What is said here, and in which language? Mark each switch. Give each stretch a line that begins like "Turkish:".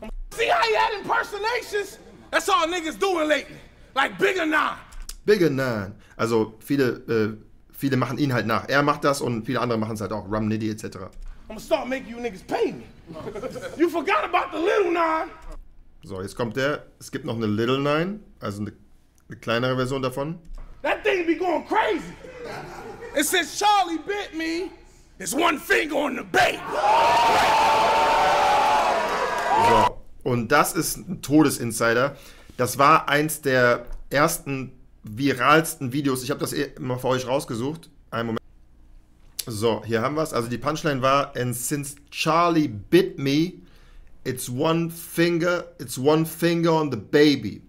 English: See how he had impersonations? That's all niggas doing lately. Like Bigger Nan. Bigger Nan.
German: Also viele, viele machen ihn halt nach. Er macht das und viele andere machen es halt auch.
English: Rum Nitty etc. I'm gonna start making you niggas pay me. You forgot about the little nine.
German: So, jetzt kommt der. Es gibt noch eine Little Nine, also eine kleinere Version davon.
English: That thing be going crazy. And since Charlie bit me, it's one finger on the bait.
German: So. Und das ist ein Todesinsider. Das war eins der ersten viralsten Videos. Ich habe das immer für euch rausgesucht. Einen Moment. So, hier haben wir es. Also die Punchline war,
English: and since Charlie bit me, it's one finger on the baby.